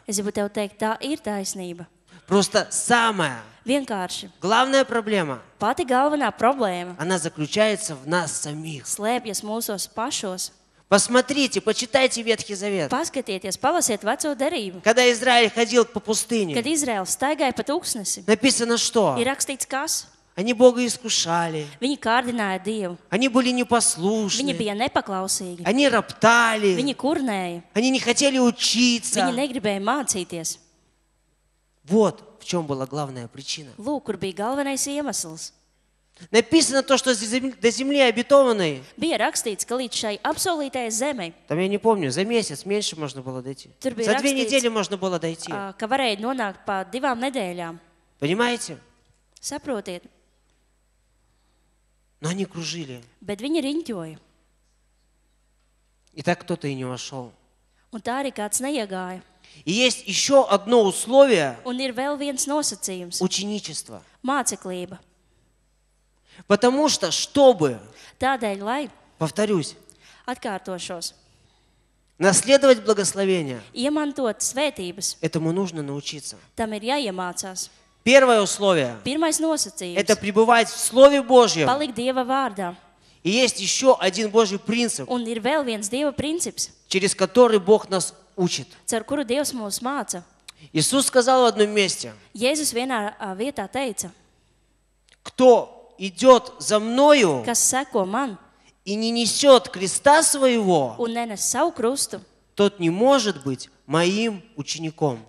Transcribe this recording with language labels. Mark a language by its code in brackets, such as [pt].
[lv] Es gribu tev teikt, tā ir taisnība. [ru] Просто самая. [lv] Vienkārši. [ru] Главная проблема. [lv] Pati galvenā problēma. [ru] Она заключается в нас самих. [lv] Слепьясь мусос пашос. [ru] Посмотрите, почитайте Ветхий Завет. [lv] Paskatieties, palasiet veco derību. [ru] Когда Израиль ходил по пустыне. [lv] Kad Izraels staigāja pa tuksnesi. [ru] Написано что? [lv] Ir rakstīts kas? [ru] Они Бога искушали. [lv] Viņi kārdināja Dievu. [ru] Они были непослушны. [lv] Viņi bija nepaklausīgi. [ru] Они роптали. [lv] Viņi kurnēja. [ru] Они не хотели учиться. [lv] Viņi negribēja mācīties. [ru] Вот в чем была главная причина. [lv] Lūk, kur bija galvenais iemesls. [ru] Написано то, что до земли обетованной. [lv] Bija rakstīts, ka līdz šai absolūtajai zemei. [ru] Там я не помню, за месяц меньше можно было дойти. [lv] Tur bija [ru] за две недели можно было дойти. [lv] Ka varēja nonākt pa divām nedēļām. [ru] Понимаете? [lv] Saprotiet. [ru] Но они кружили. [lv] Bet viņi riņķoja. [ru] И так кто-то и не вошел. [lv] Un tā arī kāds neiegāja. [ru] И есть еще одно условие. [lv] Un ir vēl viens nosacījums. [ru] Ученичество. [lv] Māceklība. [ru] Потому что, чтобы, [lv] Tādēļ, lai, [ru] повторюсь, [lv] atkārtošos, [ru] наследовать благословение, [lv] iemantot svētības, [ru] этому нужно научиться. [lv] Tam ir jāiemācās. [ru] Первое условие, [lv] pirmais nosacījums, [ru] это пребывать в Слове Божьем. [lv] Palikt Dieva vārdā. [ru] И есть еще один Божий принцип, [lv] un ir vēl viens Dieva princips, [ru] через который Бог нас учит. [lv] Cer, kuru Dievs mūs māca. [ru] Иисус сказал в одном месте, [lv] Jēzus vienā vietā teica, [ru] кто идет за мною [lv] kas seko man, [ru] и не несет креста своего, [lv] un nenes savu krustu, [ru] тот не может быть моим учеником.